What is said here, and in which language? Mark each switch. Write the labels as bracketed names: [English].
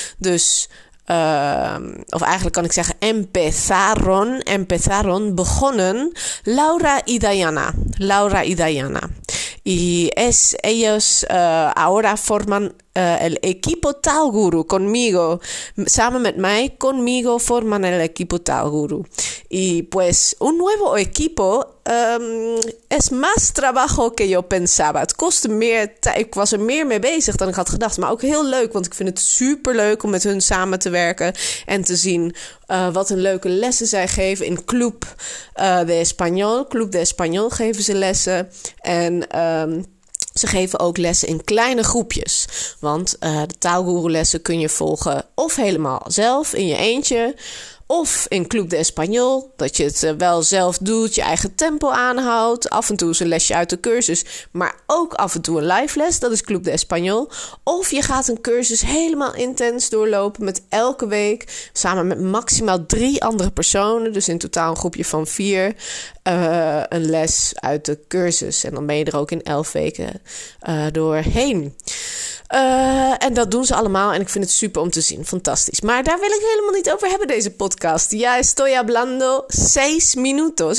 [Dutch] Dus of eigenlijk kan ik zeggen empezaron, begonnen. [Spanish] Laura y Dayana. Y ellos ahora forman el equipo Tal Guru conmigo, [Dutch] samen met mij, [Spanish] conmigo forman el equipo Tal Guru. Y pues un nuevo equipo es más trabajo que yo pensaba. [Dutch] Het kostte meer tijd. Ik was er meer mee bezig dan ik had gedacht. Maar ook heel leuk, want ik vind het superleuk om met hun samen te werken en te zien wat een leuke lessen zij geven in Club de Español. Club de Español geven ze lessen. En ze geven ook lessen in kleine groepjes. Want de taalgoeroelessen kun je volgen of helemaal zelf in je eentje. Of in Club de Español, dat je het wel zelf doet, je eigen tempo aanhoudt. Af en toe is een lesje uit de cursus, maar ook af en toe een live les. Dat is Club de Español. Of je gaat een cursus helemaal intens doorlopen met elke week. Samen met maximaal 3 andere personen. Dus in totaal een groepje van 4. Een les uit de cursus. En dan ben je er ook in 11 weken doorheen. En dat doen ze allemaal. En ik vind het super om te zien. Fantastisch. Maar daar wil ik helemaal niet over hebben, deze podcast. [Spanish] Ya estoy hablando 6 minutos.